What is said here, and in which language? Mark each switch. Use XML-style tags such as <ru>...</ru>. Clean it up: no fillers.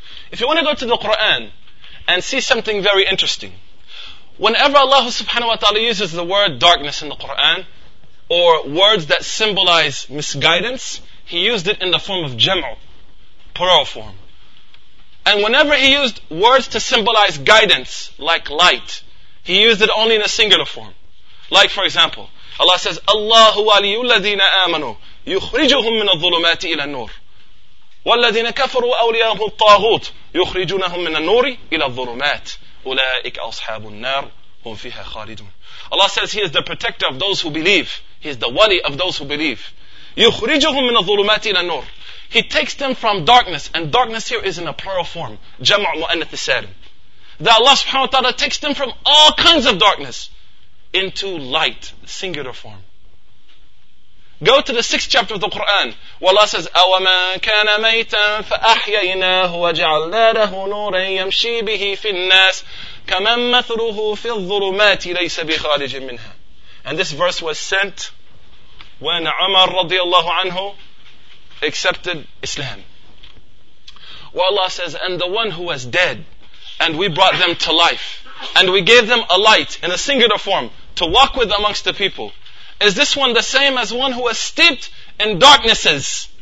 <en>If you want to go to the Quran and see something very interesting, whenever Allah subhanahu wa ta'ala uses the word darkness in the Quran, or words that symbolize misguidance, He used it in the form of jam'u, plural form. And whenever He used words to symbolize guidance, like light, He used it only in a singular form. Like for example, Allah says,</en> <ar>اللَّهُ وَلِيُّ الَّذِينَ آمَنُوا يُخْرِجُهُمْ مِنَ الظُّلُمَاتِ إِلَى النُّورِ وَالَّذِينَ كَفَرُوا أَوْلِيَاهُمُ الطَّاغُوتُ يُخْرِجُونَهُمْ مِنَ النُّورِ إِلَى الظُّلُمَاتِ أُولَٰئِكَ أَصْحَابُ النَّارِ هُمْ فِيهَا خَالِدُونَ.</ar> <en>Allah says, He is the protector of those who believe. He is the wali of those who believe.</en> <ar>يُخْرِجُهُمْ مِنَ الظُّلُمَاتِ إِلَى النُّورِ.</ar> <en>He takes them from darkness. And darkness here is in a plural form.</en> <ar>جَمْعُ مُؤَنَّثِ السَّالِمِ.</ar> <en>That Allah subhanahu wa ta'ala takes them from all kinds of darkness. into light, singular form. Go to the sixth chapter of the Quran, where Allah says,</en> <ar>أَوَمَن كَانَ مَيْتًا فَأَحْيَيْنَاهُ وَجَعَلْنَا لَهُ نُورًا يَمْشِي بِهِ فِي النَّاسِ كَمَن مَثْلُهُ فِي الظُّلُمَاتِ لَيْسَ بِخَارِجٍ مِنْهَا.</ar> <en>And this verse was sent when Umar radiallahu anhu accepted Islam. Where Allah says, and the one who was dead, and we brought them to life, and we gave them a light in a singular form to walk with amongst the people, is this one the same as one who was steeped in darknesses?</en>